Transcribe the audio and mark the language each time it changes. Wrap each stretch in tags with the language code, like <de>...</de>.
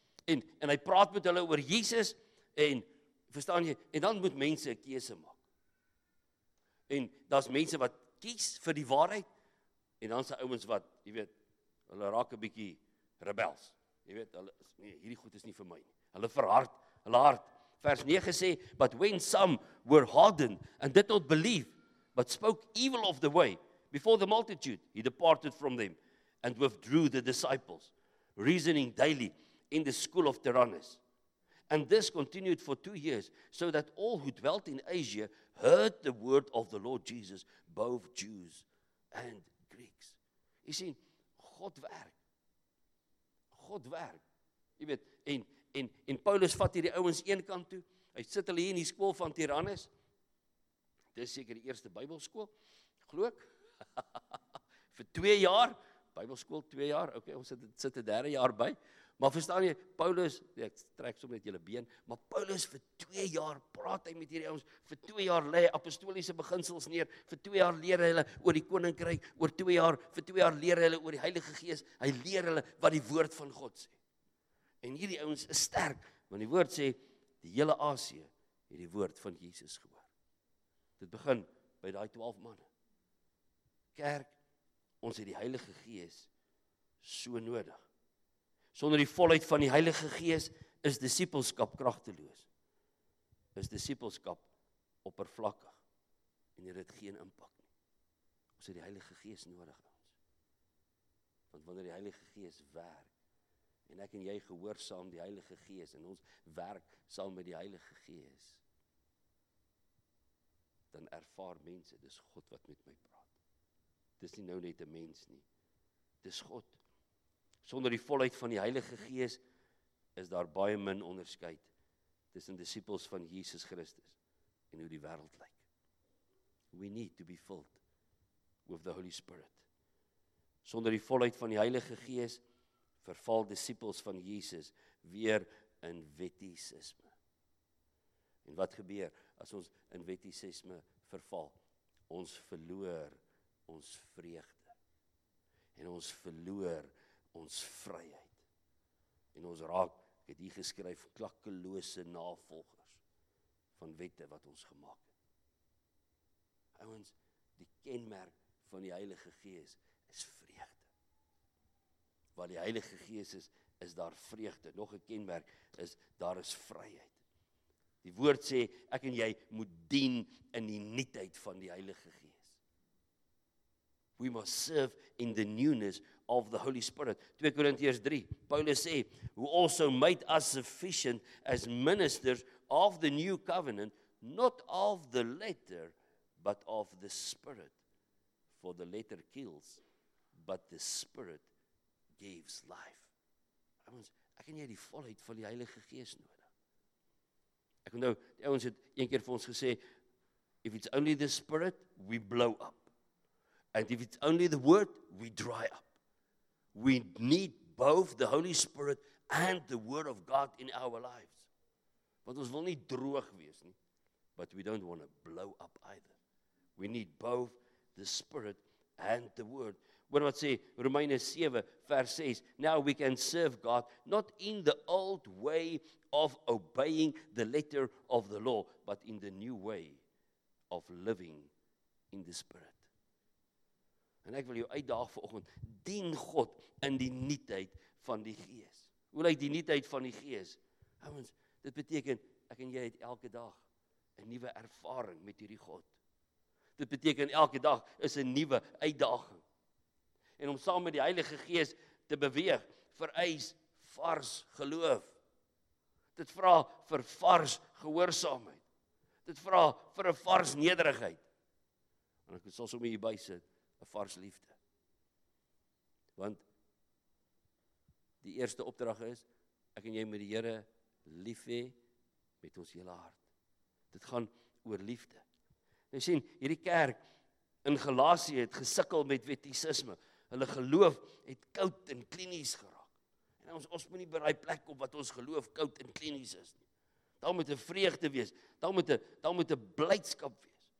<af>En hy praat met hulle oor Jesus en, verstaan jy, en dan moet mense 'n keuse maak. En daar's mense wat kies vir die waarheid en dan se ouens wat, jy weet, hulle raak 'n bietjie rebels. Jy weet, hulle is nee, hierdie goed is nie vir my nie. Hulle verhard, hulle hart. Vers 9 sê,</af> <en>but when some were hardened and did not believe, but spoke evil of the way before the multitude, he departed from them and withdrew the disciples, reasoning daily in the school of Tyrannus. And this continued for 2 years, so that all who dwelt in Asia heard the word of the Lord Jesus, both Jews and Greeks.</en> <af>Jy sien, God werk. God werk. Jy weet, en Paulus vat hierdie ouens een kant toe, hy sit hulle hier in die skool van Tyrannus, dit is seker die eerste Bybelskool, glo ek, vir 2 jaar, Bybelskool 2 jaar, ok, ons sit 'n derde jaar by, maar verstaan jy, Paulus, ek trek so met julle been, maar Paulus vir 2 jaar praat hy met hierdie ouens, vir 2 jaar lê apostoliese beginsels neer, vir 2 jaar leer hulle oor die koninkryk, oor 2 jaar, vir 2 jaar leer hulle oor die Heilige Gees, hy leer hulle wat die woord van God sê. En hierdie ouens is sterk, want die woord sê, die hele Asie het die woord van Jesus gehoor. Dit begin by daai 12 manne. Kerk, ons het die Heilige Gees so nodig. Sonder die volheid van die Heilige Gees is disippelskap kragteloos. Is disippelskap oppervlakkig en dit het geen impak nie. Ons het die Heilige Gees nodig ons. Want wanneer die Heilige Gees werk en ek en jy gehoorsaam die Heilige Gees en ons werk saam met die Heilige Gees, dan ervaar mense, dis God wat met my praat. Dis nie nou net 'n mens nie. Dis God. Sonder die volheid van die Heilige Gees is daar baie min onderskeid tussen disippels van Jesus Christus en hoe die wêreld lyk.</af> <en>We need to be filled with the Holy Spirit.</en> <af>Sonder die volheid van die Heilige Gees verval disippels van Jesus weer in wettisisme. En wat gebeur as ons in wettisisme verval? Ons verloor ons vreugde en ons verloor ons vryheid. En ons raak het hier geskryf klakkelose navolgers van wette wat ons gemaak het. Ouens, die kenmerk van die Heilige Gees is vreugde. Waar die Heilige Gees is, is daar vreugde. Nog een kenmerk is, daar is vryheid. Die woord sê, ek en jy moet dien in die nuutheid van die Heilige Gees.</af> <en>We must serve in the newness of the Holy Spirit.</en> <af>2 Korintiërs 3, Paulus sê,</af> <en>who also made us sufficient as ministers of the new covenant, not of the letter, but of the Spirit. For the letter kills, but the Spirit gives life.</en> <af>Ons, ek en jy die volheid van die Heilige Gees nodig. Ek onthou, die ouens het een keer vir ons gesê,</af> <en>if it's only the Spirit, we blow up. And if it's only the Word, we dry up. We need both the Holy Spirit and the Word of God in our lives.</en> <af>Want ons wil nie droog wees nie,</af> <en>but we don't want to blow up either. We need both the Spirit and the Word.</en> <af>Hoor wat sê, Romeine 7 vers 6,</af> <en>now we can serve God, not in the old way of obeying the letter of the law, but in the new way of living in the Spirit.</en> <af>En ek wil jou uitdaag vanoggend, dien God in die nuutheid van die Gees. Hoe lyk die nuutheid van die Gees? Ouens, dit beteken, ek en jy het elke dag een nieuwe ervaring met hierdie God. Dit beteken, elke dag is een nieuwe uitdaging. En om saam met die Heilige Gees te beweeg, vereis vars geloof. Dit vra vir vars gehoorsaamheid. Dit vra vir 'n vars nederigheid. En ek sal sommer hier by sit, 'n vars liefde. Want die eerste opdrag is, ek en jy met die Here lief hê met ons hele hart. Dit gaan oor liefde. Nou sien, hierdie kerk in Galasië het gesukkel met wettisisme. Hulle geloof het koud en klinies geraak. En ons moet nie by daai plek kom wat ons geloof koud en klinies is nie. Daar moet 'n vreugde wees. Daar moet 'n blydskap wees.</af>